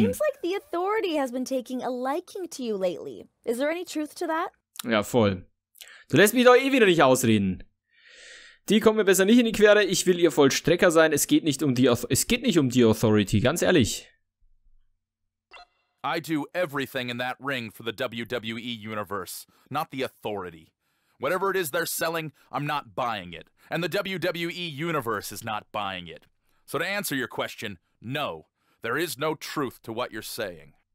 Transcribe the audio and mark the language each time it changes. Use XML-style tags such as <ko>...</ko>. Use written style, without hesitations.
<en>It seems like the authority has been taking a liking to you lately. Is there any truth to that?</en> <de>Ja, voll. Du lässt mich doch eh wieder nicht ausreden. Die kommen mir besser nicht in die Quere. Ich will ihr Vollstrecker sein. Es geht nicht um die Authority, ganz ehrlich.</de> <en>I do everything in that ring for the WWE Universe, not the Authority. Whatever it is they're selling, I'm not buying it. And the WWE Universe is not buying it. So to answer your question, no, there is no truth to what you're saying.</en>